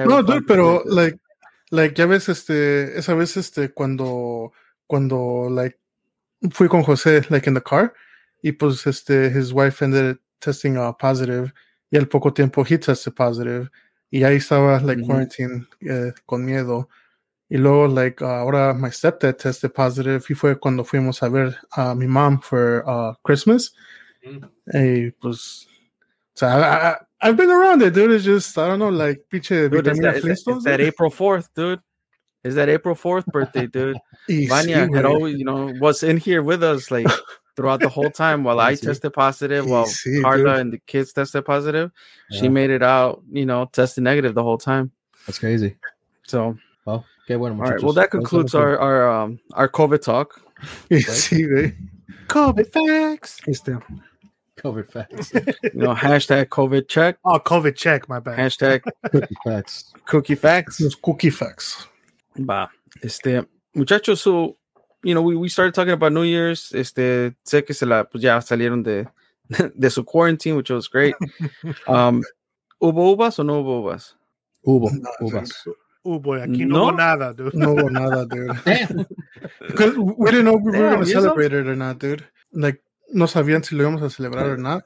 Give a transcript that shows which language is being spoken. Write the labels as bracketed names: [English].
[Spanish] No, dude, pero like ya ves esa vez cuando like fui con José [English] like in the car, [Spanish] y pues [English] his wife ended up testing positive, [Spanish] y al poco tiempo [English] he tested positive. [Spanish] Y ahí estaba, like, quarantine con miedo. Y luego, like, ahora [English] my stepdad tested positive. [Spanish] Y fue cuando fuimos a ver a mi mom [English] for Christmas. Mm-hmm. [Spanish] Y, pues, [English] so I've been around it, dude. It's just, I don't know, like, pinche vitamina Flintstones. Is that April 4th, dude? Is that April 4th birthday, dude? Vania sí, had always, you know, was in here with us, like, throughout the whole time while I tested positive, Carla and the kids tested positive, she made it out, you know, tested negative the whole time. That's crazy. So, well, okay, [Spanish] bueno, [English] all right. Well, that concludes our COVID talk. COVID facts. COVID facts. You know, hashtag COVID check. Oh, COVID check. My bad. Hashtag cookie facts. Cookie facts. [Spanish] Bah. Muchachos, so. [English] You know, we started talking about New Year's. [Spanish] Sé que se la, pues ya salieron de su quarantine, [English] which was great. [Spanish] ¿Hubo uvas o no hubo uvas? Hubo uvas. Hubo, aquí no hubo nada, dude. No hubo nada, dude. [English] Because we didn't know if we were going to celebrate it or not, dude. [Spanish] Like, no sabían si lo íbamos a celebrar o no.